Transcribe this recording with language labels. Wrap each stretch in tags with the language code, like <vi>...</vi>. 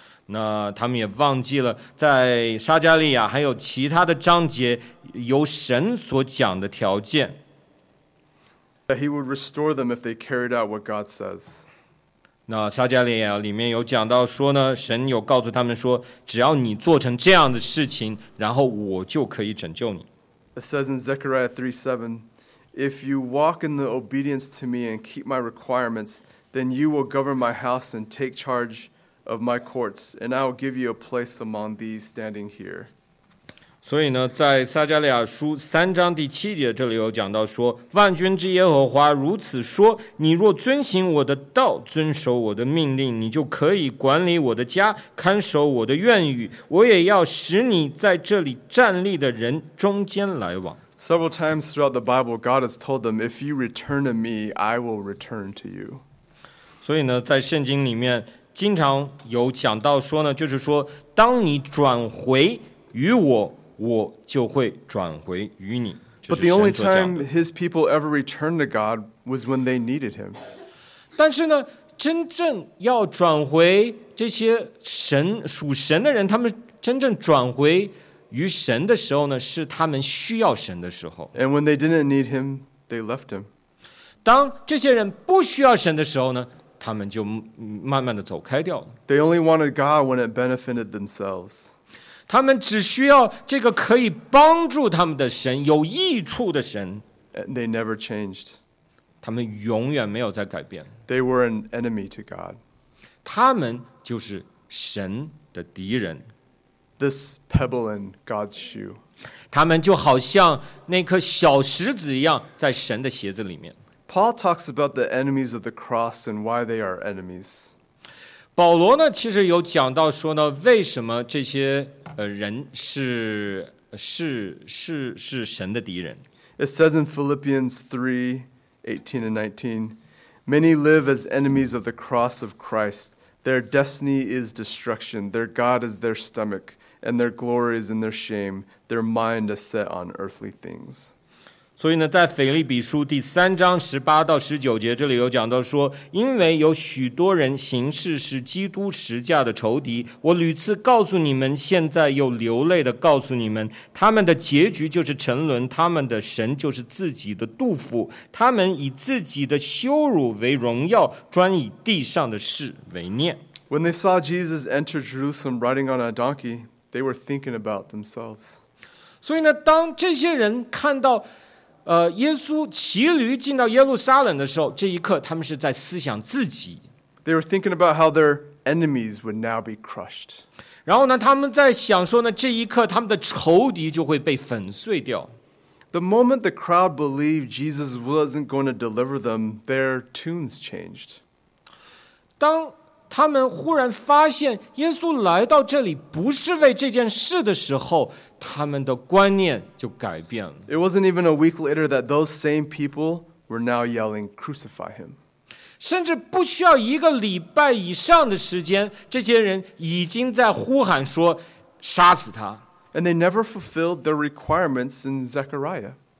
<zh>那他们也忘记了在撒迦利亚还有其他的章节由神所讲的条件。</zh> <en>That he would restore them if they carried out what God says.</en> <zh>那撒迦利亚里面有讲到说呢，神有告诉他们说，只要你做成这样的事情，然后我就可以拯救你。</zh> <en>It says in Zechariah 3:7, If you walk in the obedience to me and keep my requirements, then you will govern my house and take charge of my courts, and I will give you a place among these standing here.</en> <zh>所以呢，在撒加利亚书三章第七节这里有讲到说，万军之耶和华如此说，你若遵行我的道，遵守我的命令，你就可以管理我的家，看守我的院宇，我也要使你在这里站立的人中间来往。</zh> <en>Several times throughout the Bible, God has told them, if you return to me, I will return to you.</en> <zh>所以呢，在圣经里面经常有讲到说呢，就是说，当你转回与我，我就会转回与你。</zh> <en>But the only time his people ever returned to God was when they needed him.</en> <zh>但是呢，真正要转回这些神属神的人，他们真正转回与神的时候呢，是他们需要神的时候。</zh> <en>And when they didn't need him, they left him.</en> <zh>当这些人不需要神的时候呢，他们就慢慢的走开掉了。</zh> <en>They only wanted God when it benefited themselves.</en> <zh>他们只需要这个可以帮助他们的神，有益处的神。</zh> <en>And they never changed.</en> <zh>他们永远没有在改变。</zh> <en>They were an enemy to God.</en> <zh>他们就是神的敌人。</zh> <en>This pebble in God's shoe.</en> <zh>他们就好像那颗小石子一样在神的鞋子里面。</zh> <en>Paul talks about the enemies of the cross and why they are enemies.</en> <zh>保罗呢，其实有讲到说呢，为什么这些人是神的敌人。</zh> <en>It says in Philippians 3:18 and 19, many live as enemies of the cross of Christ. Their destiny is destruction. Their God is their stomach. And their glory is in their shame. Their mind is set on earthly things.</en> <zh>所以呢，在腓立比书第三章十八到十九节这里有讲到说，因为有许多人行事是基督十架的仇敌。我屡次告诉你们，现在又流泪的告诉你们，他们的结局就是沉沦，他们的神就是自己的肚腹，他们以自己的羞辱为荣耀，专以地上的事为念。</zh> <en>When they saw Jesus enter Jerusalem riding on a donkey. They were thinking about themselves.</en> <zh>所以呢，当这些人看到，耶稣骑驴进到耶路撒冷的时候，这一刻他们是在思想自己。</zh> <en>They were thinking about how their enemies would now be crushed.</en> <zh>然后呢，他们在想说呢，这一刻他们的仇敌就会被粉碎掉。</zh> <en>The moment the crowd believed Jesus wasn't going to deliver them, their tunes changed.</en> <zh>当他们忽然发现耶稣来到这里不是为这件事的时候，他们的观念就改变了。</zh> <en>It wasn't even a week later that those same people were now yelling, "Crucify him!"</en> <zh>甚至不需要一个礼拜以上的时间，这些人已经在呼喊说，杀死他。</zh> <en>And they never fulfilled their requirements in Zechariah.</en>